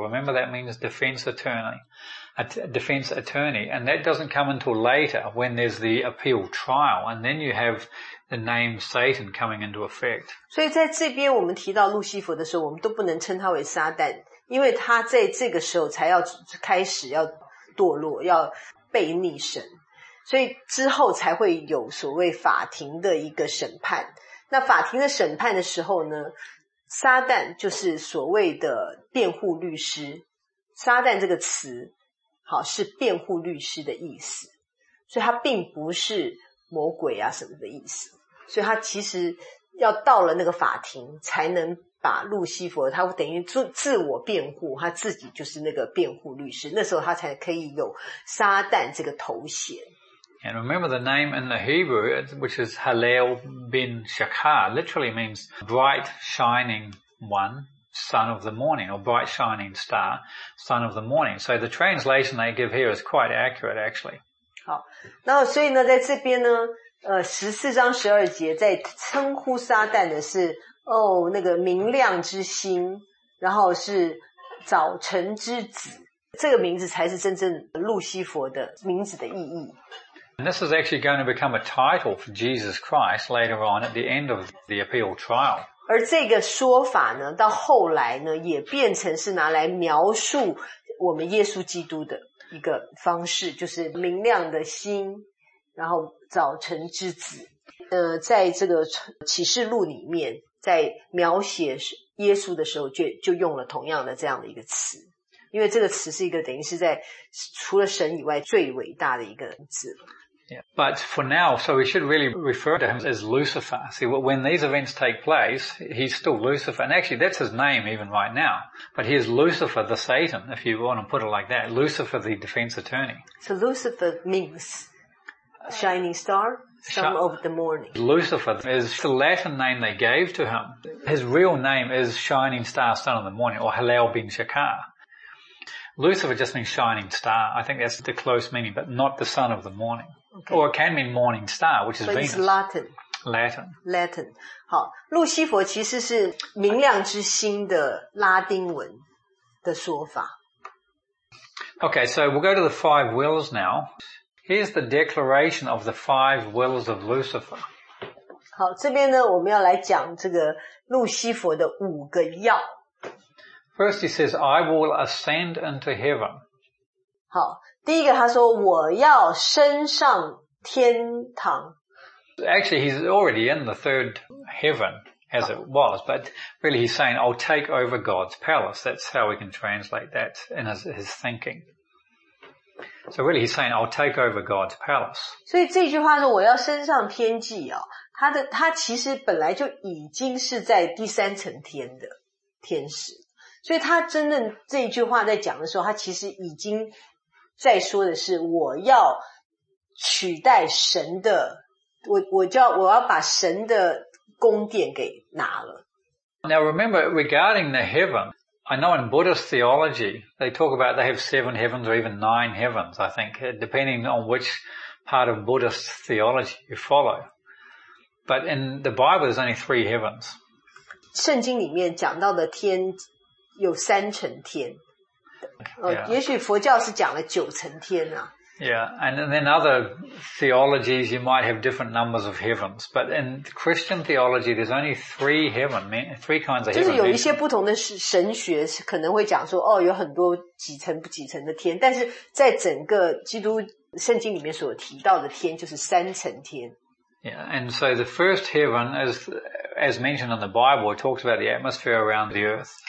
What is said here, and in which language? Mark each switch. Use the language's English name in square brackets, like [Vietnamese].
[English] Remember that means defense attorney. And that doesn't come until later when there's the appeal trial and then you have the name Satan coming into effect. [Chinese] 所以在这边我们提到路西佛的时候我们都不能称他为撒旦因为他在这个时候才要开始要堕落要背逆神。所以之后才会有所谓法庭的一个审判。那法庭的审判的时候呢，撒旦就是所谓的辩护律师。撒旦这个词，好，是辩护律师的意思。所以他并不是魔鬼啊什么的意思。所以他其实要到了那个法庭，才能把路西佛，他等于自我辩护，他自己就是那个辩护律师。那时候他才可以有撒旦这个头衔。 [English] And remember the name in the Hebrew, which is Hallel ben Shachar, literally means bright shining one, son of the morning, or bright shining star, son of the morning. So the translation they give here is quite accurate, actually. [Chinese] 好，那所以呢，在这边呢，14章12节在称呼撒旦的是，哦，那个明亮之星，然后是早晨之子，这个名字才是真正路西佛的名字的意义。 [English] And this is actually going to become a title for Jesus Christ later on at the end of the appeal trial. [Chinese] 而这个说法呢，到后来呢，也变成是拿来描述我们耶稣基督的一个方式，就是明亮的心，然后早晨之子。在这个启示录里面，在描写耶稣的时候就用了同样的这样的一个词。因为这个词是一个等于是在除了神以外最伟大的一个字。 [English] Yeah. But for now, so we should really refer to him as Lucifer. See, when these events take place, he's still Lucifer. And actually, that's his name even right now. But he is Lucifer the Satan, if you want to put it like that. Lucifer the defense attorney. So Lucifer means shining star, son of the morning. Lucifer is the Latin name they gave to him. His real name is shining star, son of the morning, or Hallel ben Shachar. Lucifer just means shining star. I think that's the close meaning, but not the sun of the morning. Okay. Or it can mean morning star, which is but Venus. It's Latin. Latin. Latin. [Chinese] 好，路西佛其实是明亮之星的拉丁文的说法。 [English] Okay, so we'll go to the five wills now. Here's the declaration of the five wills of Lucifer. [Chinese] 好，这边呢，我们要来讲这个路西佛的五个要。 [English] First, he says, I will ascend into heaven. [Chinese] 好，第一个他说，我要升上天堂。 [English] Actually, he's already in the third heaven, as it was, but really he's saying, I'll take over God's palace. That's how we can translate that in his thinking. So really he's saying, I'll take over God's palace. [Chinese] 所以这句话说我要升上天际哦，他其实本来就已经是在第三层天的天使。所以他真正这句话在讲的时候，他其实已经在说的是我要取代神的我要把神的宫殿给拿了。 [English] Now remember, regarding the heaven, I know in Buddhist theology, they talk about they have seven heavens or even nine heavens, I think, depending on which part of Buddhist theology you follow. But in the Bible, there's only three heavens. [Chinese] 圣经里面讲到的天有三层天。也许佛教是讲了九层天啊。 [English] Yeah, and then other theologies, you might have different numbers of heavens. But in Christian theology, there's only three heaven, three kinds of heaven. [Chinese] 就是有一些不同的神学可能会讲说，哦，有很多几层不几层的天。但是在整个基督圣经里面所提到的天就是三层天。 [English] Yeah, and so the first heaven, as mentioned in the Bible, it talks about the atmosphere around the earth.